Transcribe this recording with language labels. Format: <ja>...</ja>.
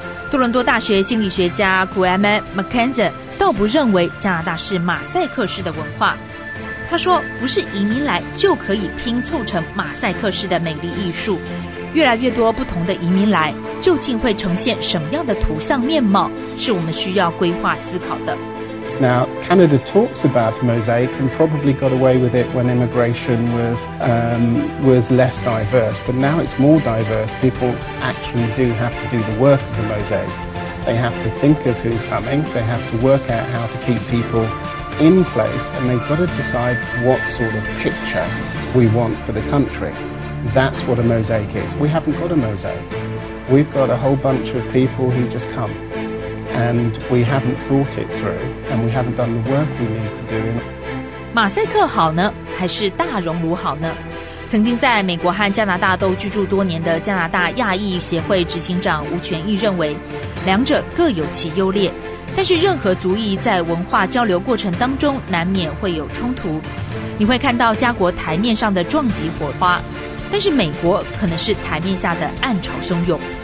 <zh>多伦多大学心理学家 Guillaume McKenzie 倒不认为加拿大是马赛克式的文化，他说不是移民来就可以拼凑成马赛克式的美丽艺术，越来越多不同的移民来，究竟会呈现什么样的图像面貌，是我们需要规划思考的。</zh> <en>Now, Canada talks about mosaic and probably got away with it when immigration was less diverse, but now it's more diverse. People actually do have to do the work of the mosaic. They have to think of who's coming, they have to work out how to keep people in place, and they've got to decide what sort of picture we want for the country. That's what a mosaic is. We haven't got a mosaic. We've got a whole bunch of people who just come. And we haven't thought it through, and we haven't done the work we need to do.</en> <zh>马赛克好呢，还是大熔炉好呢？曾经在美国和加拿大都居住多年的加拿大亚裔协会执行长吴权益认为，两者各有其优劣。但是任何族裔在文化交流过程当中，难免会有冲突。你会看到加国台面上的撞击火花，但是美国可能是台面下的暗潮汹涌。</zh>